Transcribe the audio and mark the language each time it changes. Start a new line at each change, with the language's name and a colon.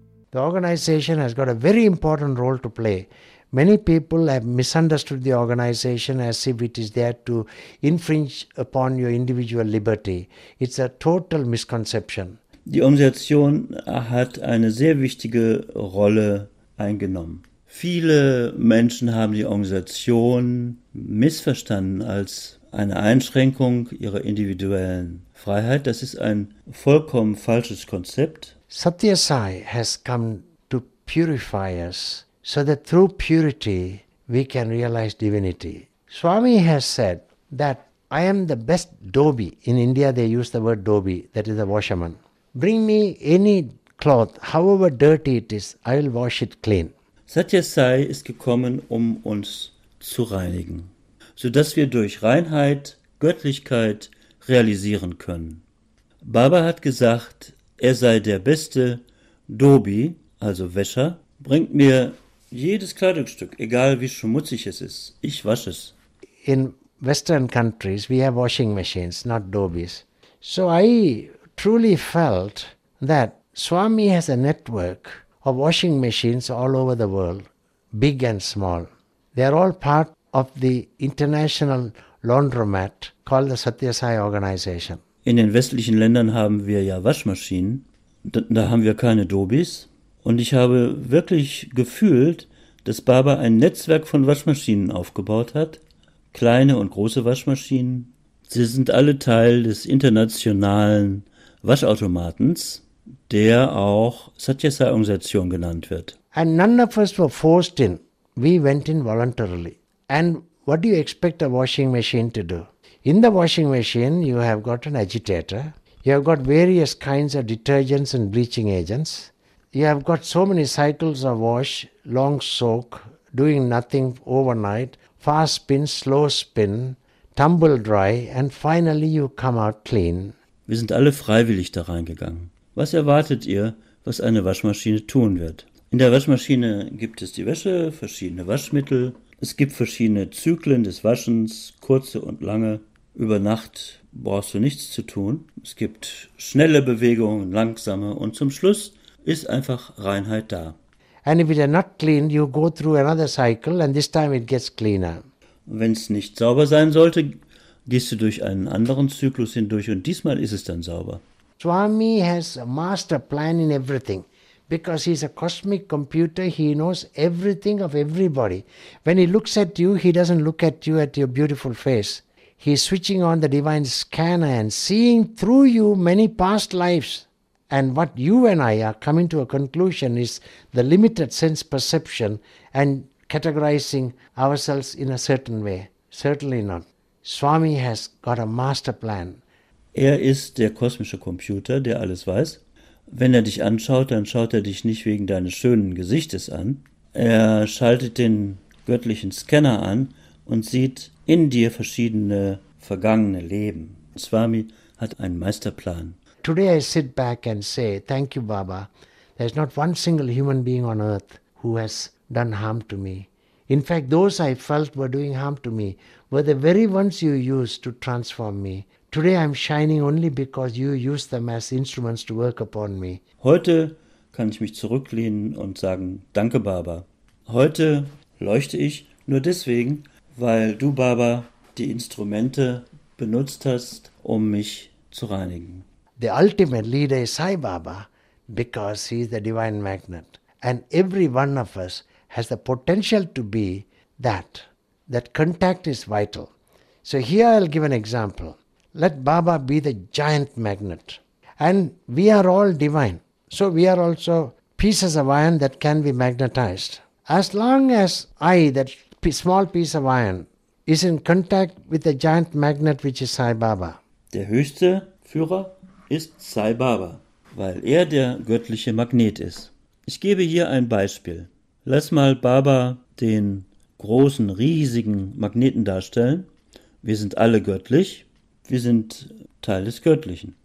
English: The organization has got a very important role to play. Many people have misunderstood the organization as if it is there to infringe upon your individual liberty. It's a total misconception.
German: Die Organisation hat eine sehr wichtige Rolle eingenommen. Viele Menschen haben die Organisation missverstanden als eine Einschränkung ihrer individuellen Freiheit. Das ist ein vollkommen falsches Konzept.
English: Satya Sai has come to purify us so that through purity we can realize divinity. Swami has said that I am the best dobi. In India they use the word dobi, that is a washerman. Bring me any cloth, however dirty it is, I'll wash it clean.
German: Satya Sai ist gekommen, um uns zu reinigen, sodass wir durch Reinheit Göttlichkeit realisieren können. Baba hat gesagt, er sei der beste Dobi, also Wäscher, bringt mir jedes Kleidungsstück, egal wie schmutzig es ist, ich wasche es.
English: In Western countries we have washing machines, not Dobis. So I truly felt that Swami has a network of washing machines all over the world, big and small. They are all part of the international laundromat called the Satya Sai Organization.
German: In den westlichen Ländern haben wir ja Waschmaschinen, da haben wir keine Dobis. Und ich habe wirklich gefühlt, dass Baba ein Netzwerk von Waschmaschinen aufgebaut hat, kleine und große Waschmaschinen. Sie sind alle Teil des internationalen Waschautomatens, der auch Satya Sai Organisation genannt wird.
English: And none of us were forced in. We went in voluntarily. And what do you expect a washing machine to do? In the washing machine you have got an agitator, you have got various kinds of detergents and bleaching agents, you have got so many cycles of wash, long soak, doing nothing overnight, fast spin, slow spin, tumble dry, and finally you come out clean.
German: Wir sind alle freiwillig da reingegangen. Was erwartet ihr, was eine Waschmaschine tun wird? In der Waschmaschine gibt es die Wäsche, verschiedene Waschmittel. Es gibt verschiedene Zyklen des Waschens, kurze und lange. Über Nacht brauchst du nichts zu tun. Es gibt schnelle Bewegungen, langsame. Und zum Schluss ist einfach Reinheit da.
English: And if it is not clean, you go through another cycle and this time it gets cleaner.
German: Wenn es nicht sauber sein sollte, gehst du durch einen anderen Zyklus hindurch und diesmal ist es dann sauber.
English: Swami has a master plan in everything. Because he's a cosmic computer, he knows everything of everybody. When he looks at you, he doesn't look at you at your beautiful face. He's switching on the divine scanner and seeing through you many past lives. And what you and I are coming to a conclusion is the limited sense perception and categorizing ourselves in a certain way. Certainly not. Swami has got a master plan.
German: Er ist der kosmische Computer, der alles weiß. Wenn er dich anschaut, dann schaut er dich nicht wegen deines schönen Gesichtes an. Er schaltet den göttlichen Scanner an und sieht in dir verschiedene vergangene Leben. Swami hat einen Meisterplan.
English: Today I sit back and say, thank you, Baba. There's not one single human being on earth who has done harm to me. In fact, those I felt were doing harm to me were the very ones you used to transform me. Today I'm shining only because you use them as instruments to work upon me.
German: Heute kann ich mich zurücklehnen und sagen, danke Baba. Heute leuchte ich nur deswegen, weil du Baba die Instrumente benutzt hast, um mich zu reinigen.
English: The ultimate leader is Sai Baba because he is the divine magnet. And every one of us has the potential to be that. That contact is vital. So here I'll give an example. Let Baba be the giant magnet. And we are all divine. So we are also pieces of iron that can be magnetized. As long as I, that small piece of iron, is in contact with the giant magnet which is Sai Baba.
German: Der höchste Führer ist Sai Baba, weil er der göttliche Magnet ist. Ich gebe hier ein Beispiel. Lass mal Baba den großen, riesigen Magneten darstellen. Wir sind alle göttlich. Wir sind Teil des Göttlichen.